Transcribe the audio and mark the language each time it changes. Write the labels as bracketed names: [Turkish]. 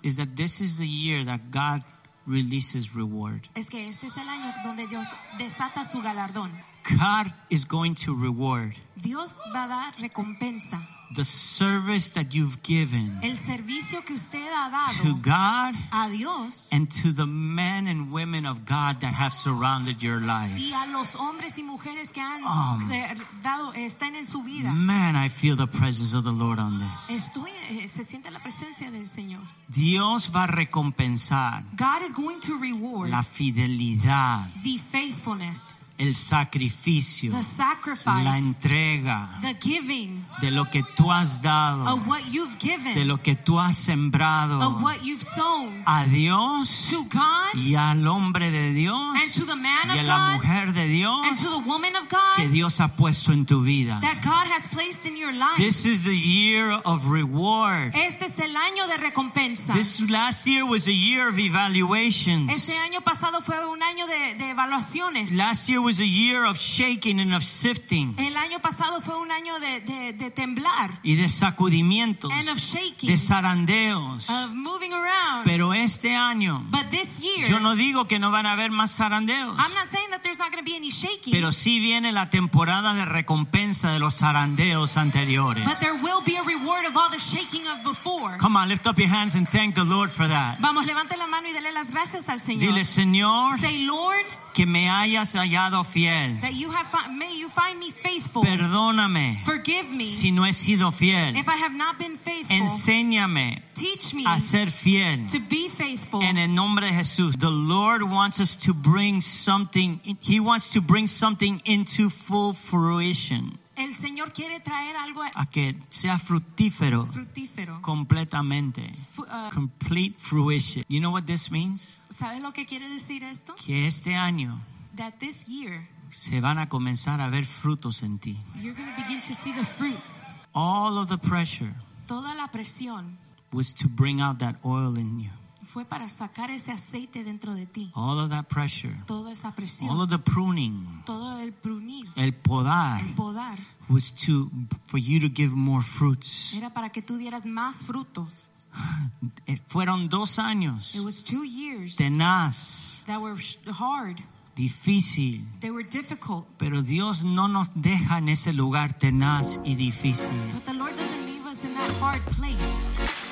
[English] is that this is the year that God releases reward. [Spanish] Es que este es el año donde Dios desata su galardón. [English] God is going to reward. [Spanish] Dios va a dar recompensa. [English] The service that you've given, [Spanish] el servicio que usted ha dado, [English] to God, [Spanish] a Dios, [English] and to the men and women of God that have surrounded your life. [Spanish] Y a los hombres y mujeres que han dado, están en su vida. [English] Man, I feel the presence of the Lord on this. [Spanish] Estoy, se siente la presencia del Señor. Dios va a recompensar. [English] God is going to reward [Spanish] la fidelidad, [English] the faithfulness, [Spanish] el sacrificio, [English] the sacrifice, [Spanish] la entrega, [English] the giving, [Spanish] de lo que tú has dado, [English] of what you've given, [Spanish] de lo que tú has sembrado, [English] of what you've sown, [Spanish] a Dios, [English] to God, [Spanish] y al hombre de Dios, [English] and to the man of God, [Spanish] y a la mujer de Dios, [English] and to the woman of God, [Spanish] que Dios ha puesto en tu vida, [English] that God has placed in your life. This is the year of reward. [Spanish] Este es el año de recompensa. [English] This last year was a year of evaluations. [Spanish] Este año pasado fue un año de evaluaciones. [English] Last year was a year of shaking and of sifting. [Spanish] El año pasado fue un año de temblar. Y de sacudimientos. [English] And of shaking. [Spanish] De zarandeos. [English] Of moving around. [Spanish] Pero este año. [English] But this year. [Spanish] Yo no digo que no van a haber más zarandeos. [English] I'm not saying that there's not going to be any shaking. [Spanish] Pero sí viene la temporada de recompensa de los zarandeos anteriores. [English] But there will be a reward of all the shaking of before. Come on, lift up your hands and thank the Lord for that. [Spanish] Vamos, levante la mano y dele las gracias al Señor. Dile, Señor. [English] Say, Lord. [Spanish] Que me hayas hallado fiel. [English] That you have found, may you find me faithful. [Spanish] Perdóname. [English] Forgive me. [Spanish] Si no he sido fiel. [English] If I have not been faithful. [Spanish] Enséñame. [English] Teach me. [Spanish] A ser fiel. [English] To be faithful. [Spanish] En el nombre de Jesús. [English] The Lord wants us to bring something. He wants to bring something into full fruition. [Spanish] El Señor quiere traer algo a que sea fructífero. Fructífero. [English] Completamente. Complete fruition. You know what this means? [Spanish] ¿Sabes lo que quiere decir esto? Que este año, [English] that this year, [Spanish] se van a comenzar a ver frutos en ti. [English] You're going to begin to see the fruits. All of the pressure, [Spanish] toda la presión, [English] was to bring out that oil in you. [Spanish] Fue para sacar ese aceite dentro de ti. [English] All of that pressure, [Spanish] toda esa presión, [English] all of the pruning, [Spanish] todo el prunir, el podar, el podar, [English] was to for you to give more fruits. [Spanish] Era para que tú dieras más frutos. Fueron dos años. [English] It was 2 years. [Spanish] Tenaz. [English] That were hard. [Spanish] Difícil. [English] They were difficult. [Spanish] Pero Dios no nos deja en ese lugar tenaz y difícil. [English] But the Lord doesn't leave us in that hard place.